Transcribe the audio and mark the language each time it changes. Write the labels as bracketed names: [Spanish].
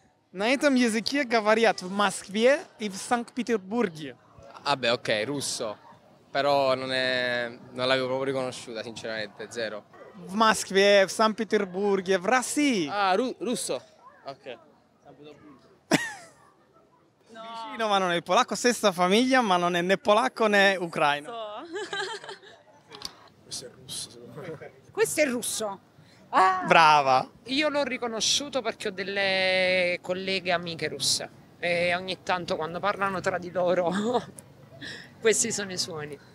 [Russian] На этом языке говорят в Москве и в Санкт-Петербурге. [Italian] Vabbè, ok, russo. Però non l'avevo proprio riconosciuta, sinceramente, zero. [Russian] В Москве, в Санкт-Петербурге, в России. [Italian] Ah, russo. Ok. No. Vicino, ma non è il polacco, stessa famiglia, ma non è né polacco né ucraino. Questo è russo. Questo è russo. Ah, brava! Io l'ho riconosciuto perché ho delle colleghe amiche russe e ogni tanto quando parlano tra di loro questi sono i suoni.